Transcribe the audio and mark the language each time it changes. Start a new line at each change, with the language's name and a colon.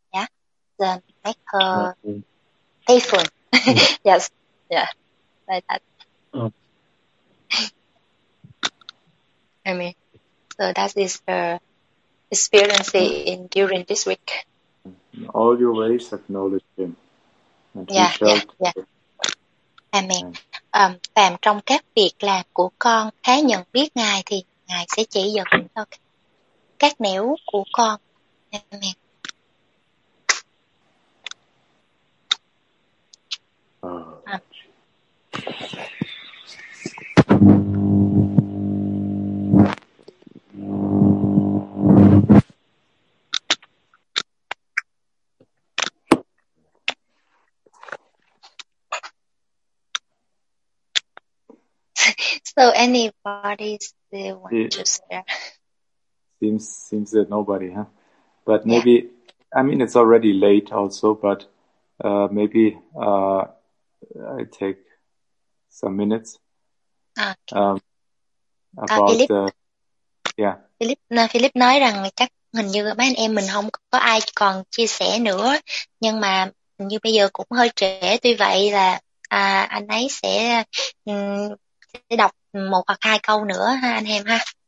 English: Yeah, the make her faithful. Yes, yeah, like that. I mean, so that is the experience during this week. In all your ways acknowledge him. I mean,
Vietnamese: tạm trong các việc làm của con hãy nhận biết Ngài thì Ngài sẽ chỉ dẫn cho các nẻo của con.
English: Amen. So anybody still want to share? Seems that nobody, huh? But maybe, yeah. I mean, it's already late also, but maybe I take some minutes. Okay.
Vietnamese: Philip nói rằng chắc hình như mấy anh em mình không có ai còn chia sẻ nữa, nhưng mà hình như bây giờ cũng hơi trễ, tuy vậy là anh ấy sẽ đọc một hoặc hai câu nữa ha anh em ha.